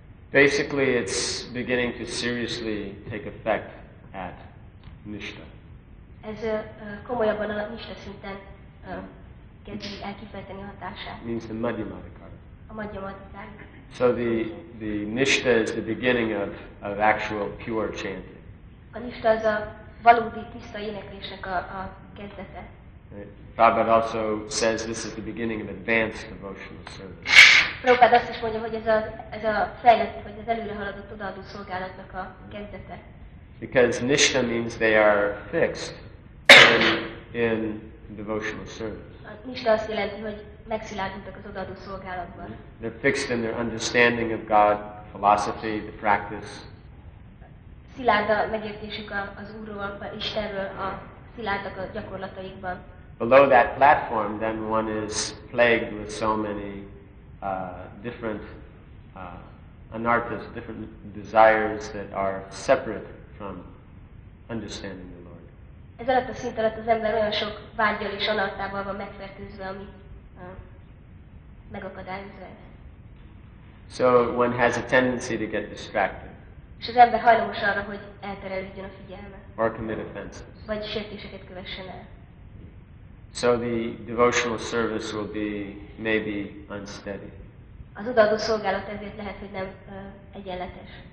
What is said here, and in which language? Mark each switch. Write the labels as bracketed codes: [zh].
[en] Basically, it's beginning to seriously take effect at Nishta. [hu] Ez komolyabban a Nishta szinten kezdi elkifejteni hatását. [en] Means the Madhyamadhikara. So the Nishta is the beginning of actual pure chanting. [hu] A Nishta az a valódi tiszta éneklésnek a kezdete. [en] Prabhupada also says this is the beginning of advanced devotional service. [hu] Prabhupada azt is mondja, hogy ez a fejlett, vagy az előre haladott odaadó szolgálatnak a kezdete. [en] Because Nishta means they are fixed in devotional service. [hu] Nishta azt jelenti, hogy megszilárdultak az odaadó szolgálatban. [en] They're fixed in their understanding of God, philosophy, the practice. [hu] Szilárd a megértésük az Úrról, Istenről, a szilárdak a gyakorlataikban. [en] Below that platform, then one is plagued with so many different anarthas, different desires that are separate from understanding the Lord. [hu] Ez alatt a szint alatt az ember olyan sok vágyal és anarthával van megfertőzve, ami megakadályozza. [en] So one has a tendency to get distracted. [hu] És az ember hajlamos arra, hogy elterelődjön a figyelme. [en] Or commit offenses. [hu] Vagy sértéseket kövessen el. [en] So the devotional service will be maybe unsteady. [hu] Az odaadó szolgálat ezért lehet, hogy nem egyenletes.